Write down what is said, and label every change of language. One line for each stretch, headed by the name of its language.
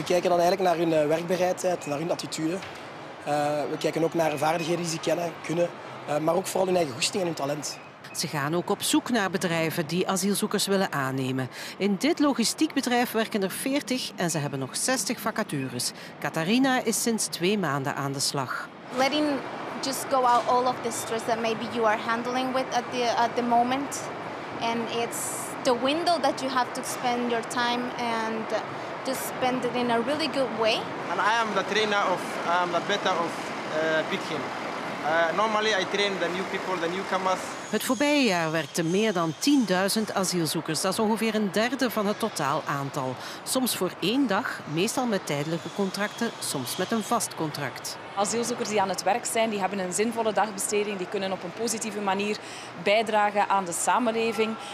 Dutch: We kijken dan eigenlijk naar hun werkbereidheid, naar hun attitude. We kijken ook naar vaardigheden die ze kennen, kunnen. Maar ook vooral hun eigen goesting en hun talent. Ze gaan ook op zoek naar bedrijven die asielzoekers willen aannemen. In dit logistiek bedrijf werken er 40 en ze hebben nog 60 vacatures. Catharina is sinds 2 maanden aan de slag.
English: Letting just go out all of the stress that maybe you are handling with at the moment. And it's the window that you have to spend your time and just spend it in a really good way. And I am the trainer of Big Kim. Normally I train the new people, the newcomers.
Dutch: Het voorbije jaar werkten meer dan 10.000 asielzoekers. Dat is ongeveer een derde van het totaal aantal. Soms voor één dag, meestal met tijdelijke contracten, soms met een vast contract. Asielzoekers die aan het werk zijn, die hebben een zinvolle dagbesteding. Die kunnen op een positieve manier bijdragen aan de samenleving.